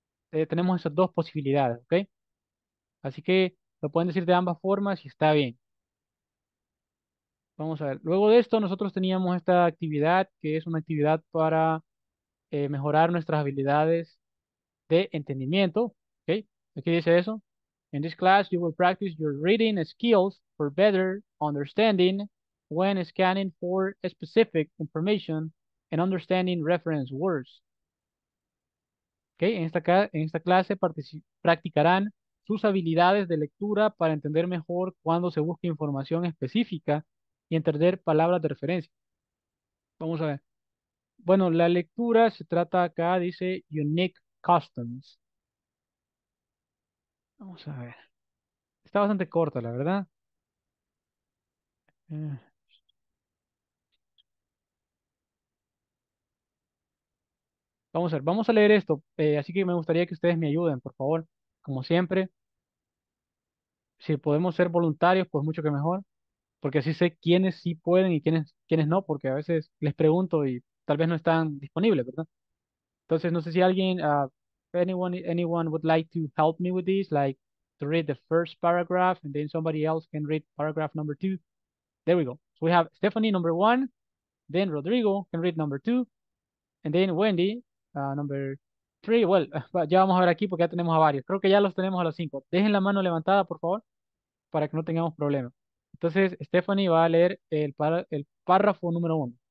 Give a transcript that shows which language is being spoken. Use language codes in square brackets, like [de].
[es] Tenemos esas dos posibilidades, okay? Así que lo pueden decir de ambas formas y está bien. Vamos a ver. Luego de esto, nosotros teníamos esta actividad, que es una actividad para mejorar nuestras habilidades de entendimiento, okay? Aquí dice eso. [en] In this class, you will practice your reading skills for better understanding when scanning for specific information and understanding reference words. [es] Okay, en esta clase practicarán sus habilidades de lectura para entender mejor cuando se busca información específica y entender palabras de referencia. Vamos a ver. Bueno, la lectura se trata acá, dice [en] unique customs. [es] Vamos a ver. Está bastante corta, la verdad. Vamos a ver, vamos a leer esto, así que me gustaría que ustedes me ayuden, por favor, como siempre. Si podemos ser voluntarios, pues mucho que mejor, porque así sé quiénes sí pueden y quiénes no, porque a veces les pregunto y tal vez no están disponibles, ¿verdad? Entonces, no sé si alguien, [en] anyone would like to help me with this, like to read the first paragraph, and then somebody else can read paragraph number two. There we go. So we have Stephanie, number one, then Rodrigo can read number two, and then Wendy, number three. [es] Well, ya vamos a ver aquí porque ya tenemos a varios. Creo que ya los tenemos a los cinco. Dejen la mano levantada, por favor, para que no tengamos problemas. Entonces, Stephanie va a leer el párrafo número uno.